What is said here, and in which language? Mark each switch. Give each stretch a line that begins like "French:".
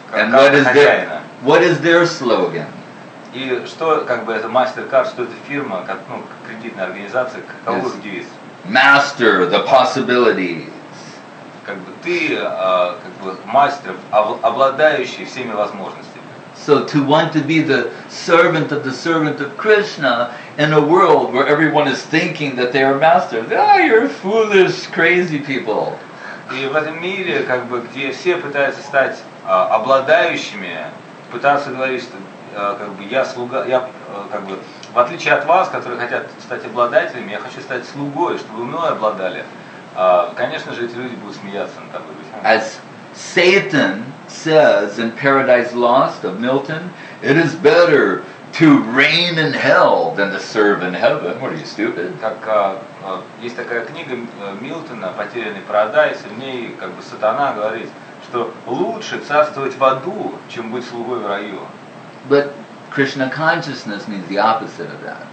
Russian: как хозяина.
English: What is their slogan?
Russian: И что как бы это MasterCard, что это фирма, как ну кредитная организация, каков их девиз?
English: Master the possibilities.
Russian: Как бы ты как бы мастер, обладающий всеми возможностями.
English: So to want to be the servant of Krishna in a world where everyone is thinking that they are master. You're foolish, crazy people.
Russian: И в этом мире, как бы, где все пытаются стать обладающими, пытаться говорить, что как бы я слуга, я как бы в отличие от вас, которые хотят стать обладателями, я хочу стать слугой, чтобы мной обладали. Конечно же, эти люди будут смеяться над тобой.
English: As Satan says in Paradise Lost of Milton, it is better to reign in hell than to serve in heaven. What are you stupid?
Russian: Как есть такая книга Милтона «Потерянный парадайз», и в ней как бы Сатана говорит, что лучше царствовать в аду, чем быть слугой в раю.
English: But Krishna consciousness means the opposite of that.